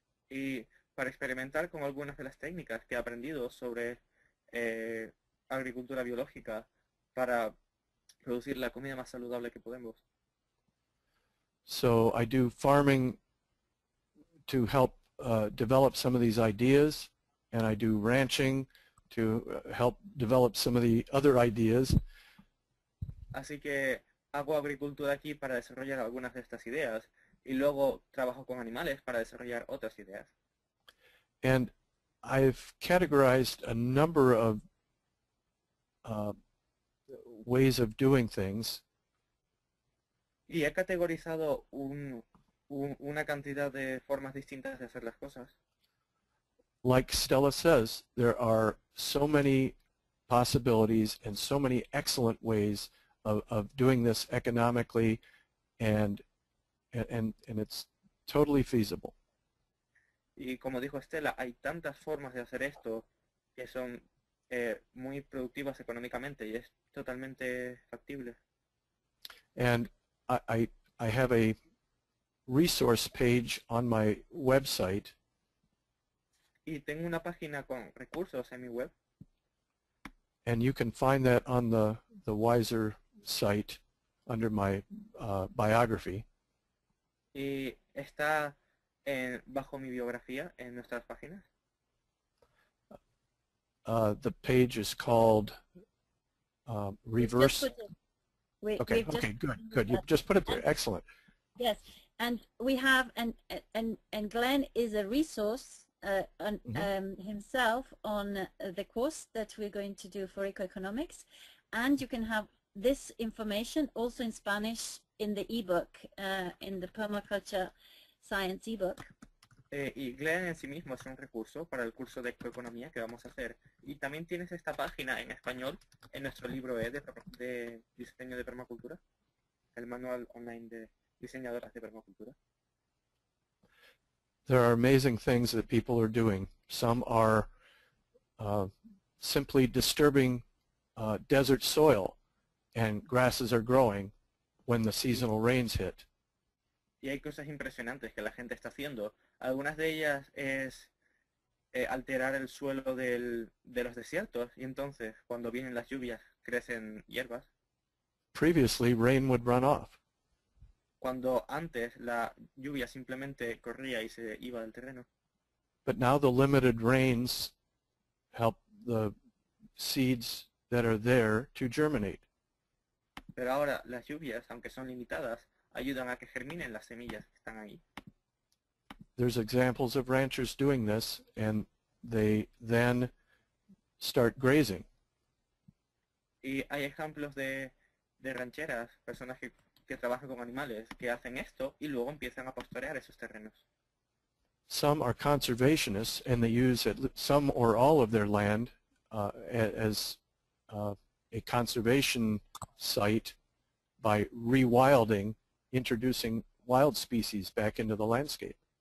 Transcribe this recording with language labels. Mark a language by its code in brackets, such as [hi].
[es] Y para experimentar con algunas de las técnicas que he aprendido sobre agricultura biológica para producir la comida más saludable que podemos. [en] So I do farming to help develop some of these ideas, and I do ranching to help develop some of the other ideas. [es] Así que hago agricultura aquí para desarrollar algunas de estas ideas, y luego trabajo con animales para desarrollar otras ideas. [en] And I've categorized a number of ways of doing things. [es] Y he categorizado una cantidad de formas distintas de hacer las cosas. [en] Like Stella says, there are so many possibilities and so many excellent ways of doing this economically, and it's totally feasible. [es] Y como dijo Estela, hay tantas formas de hacer esto que son muy productivas económicamente y es totalmente factible. [en] And I have a resource page on my website. [es] Y tengo una página con recursos en mi web. [en] And you can find that on the Wiser site under my biography. [es] Y está en, bajo mi biografía en nuestras páginas. [en] The page is called Reverse. We, okay. Okay. Good. Good. You just put it there. Excellent. Yes, and we have and Glenn is a resource himself on the course that we're going to do for Eco-Economics, and you can have this information also in Spanish in the ebook in the Permaculture Science ebook. [es] Y Glenn en sí mismo es un recurso para el curso de Eco-Economía que vamos a hacer. Y también tienes esta página en español en nuestro libro de diseño de permacultura, el manual online de diseñadoras de permacultura. [en] There are amazing things that people are doing. Some are simply disturbing desert soil and grasses are growing when the seasonal rains hit. [es] Y hay cosas impresionantes que la gente está haciendo. Algunas de ellas es alterar el suelo de los desiertos y entonces cuando vienen las lluvias crecen hierbas. [en] Previously, rain would run off. [es] Cuando antes la lluvia simplemente corría y se iba del terreno. [en] But now the limited rains help the seeds that are there to germinate. [es] Pero ahora las lluvias, aunque son limitadas, ayudan a que germinen las semillas que están ahí. [en] There's examples of ranchers doing this, and they then start grazing. [es] Y hay ejemplos de rancheras, personas que trabajan con animales, que hacen esto y luego empiezan a pastorear esos terrenos. [en] Some are conservationists, and they use some or all of their land as a conservation site by rewilding, introducing wild species back into the landscape.